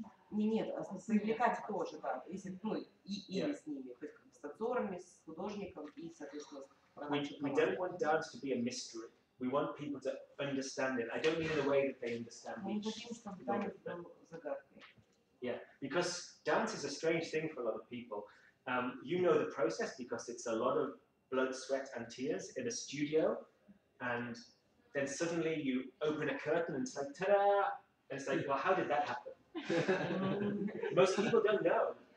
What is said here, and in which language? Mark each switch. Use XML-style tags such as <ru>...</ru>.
<ru>Нет, привлекать тоже, да, если, ну, или с ними, хоть как бы с танцорами, с художником и, соответственно, с продажей.</ru> <en>We don't want dance to be a mystery. We want people to understand it. I don't mean in a way that they understand</en> <ru>Мы</ru> <en>each.</en> <ru>Хотим, чтобы танец был загадкой.</ru> <en>Yeah, because dance is a strange thing for a lot of people. You know the process because it's a lot of blood, sweat and tears in a studio, and then suddenly you open a curtain and it's like, ta-da! And it's like, well, how did that happen? Most people don't know.</en>